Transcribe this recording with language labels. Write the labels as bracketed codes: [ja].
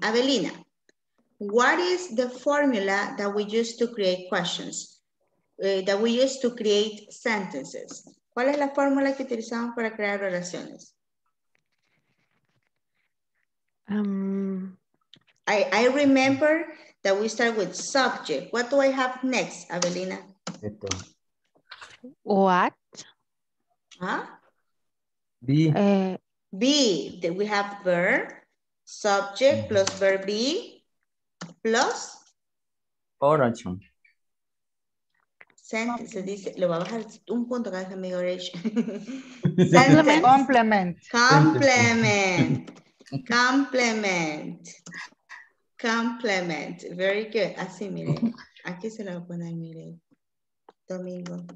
[en] Avelina, what is the formula that we use to create questions? That we use to create sentences? [es] ¿Cuál es la fórmula que utilizamos para crear oraciones? [en] I remember that we start with subject. What do I have next, Avelina? What? Huh? B. B. Then we have verb, subject plus verb B plus? Oration. Sentence. [es] Okay. Se dice, lo voy a bajar un punto cada vez que me diga oration. [en] Complement. Complement. Complement. Complement. Complement. Very good. [es] Así, mire. Aquí se lo voy a poner, mire. Domingo.